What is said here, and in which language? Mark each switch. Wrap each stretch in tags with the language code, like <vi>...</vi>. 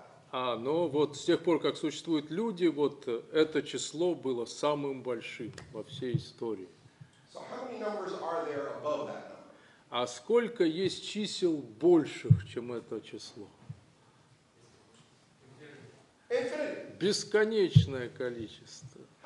<ru>Но вот с тех пор, как существуют люди, вот это число было самым большим во всей истории.</ru> <en>So how many numbers are there above that number?</en> <ru>А сколько есть чисел больших, чем это число? Бесконечное количество.</ru>